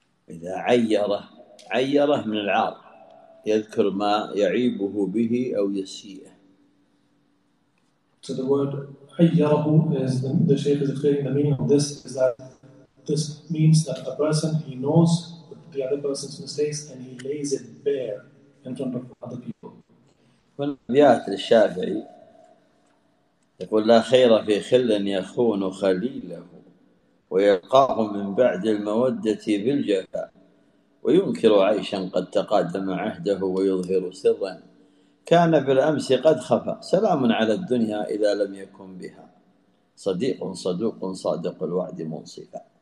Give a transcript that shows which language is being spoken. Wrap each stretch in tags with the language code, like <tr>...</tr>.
<ar>إذا عيره عيره من العار، يذكر ما يعيبه به أو يسيئه.</ar> <en>So the word عيره is the Shaykh is explaining the meaning of this is that this means that a person, he knows the other person's mistakes and he lays it bare in front of other people.</en> <ar>من أبيات الشافعي يقول لا خير في خل يخون خليله ويلقاه من بعد المودة بالجفاء وينكر عيشا قد تقادم عهده ويظهر سرا كان بالأمس قد خفى سلام على الدنيا إذا لم يكن بها صديق صدوق صادق الوعد منصفا.</ar>